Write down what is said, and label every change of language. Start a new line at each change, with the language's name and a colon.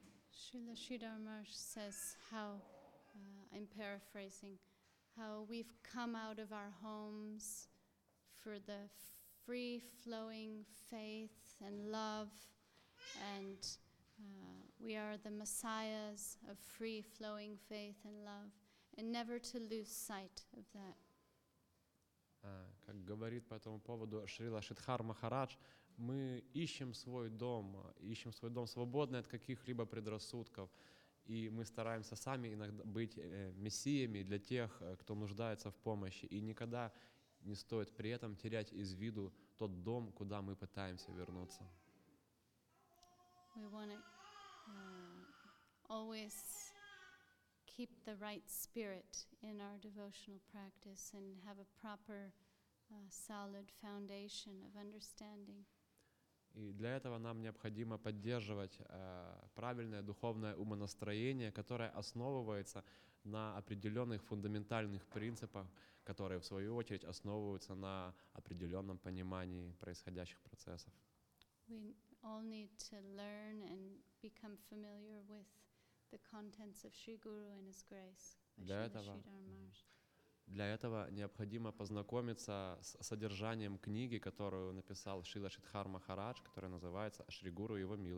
English: Srila Sridhar Maharaj says how, I'm paraphrasing, how we've come out of our homes for the free-flowing faith and love, and we are the messiahs of free-flowing faith and love, and never to lose sight of that.
Russian: Как говорит по этому поводу Шрила Шридхар Махарадж, мы ищем свой дом свободный от каких-либо предрассудков, и мы стараемся сами иногда быть мессиями для тех, кто нуждается в помощи, и никогда не стоит при этом терять из виду тот дом, куда мы пытаемся вернуться.
English: We wanna, always keep the right spirit in our devotional practice and have a proper solid foundation of understanding.
Russian: И для этого нам необходимо поддерживать правильное духовное умонастроение, которое основывается на определенных фундаментальных принципах, которые, в свою очередь, основываются на определенном понимании происходящих процессов.
English: We all need to learn and become familiar with the contents of Sri Guru and His grace.
Russian: Для этого необходимо познакомиться с содержанием книги, которую написал Шрила Шридхар Махарадж, которая называется «Шри Гуру и его